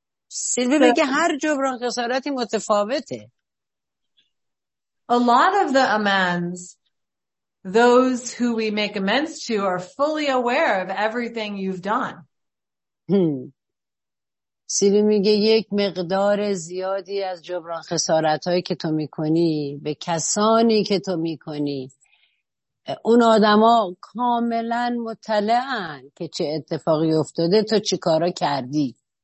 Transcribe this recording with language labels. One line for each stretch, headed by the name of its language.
Persian: Sylvie میگه هر جبران خسارتی متفاوته.
English: A lot of the amends, those who we make amends to are fully aware of everything you've done.
Persian: سیلی میگه یک مقدار زیادی از جبران خسارتهایی که تو میکنی به کسانی که تو میکنی، اون آدم ها کاملا مطلعن که چه اتفاقی افتاده، تو چی کارا کردی.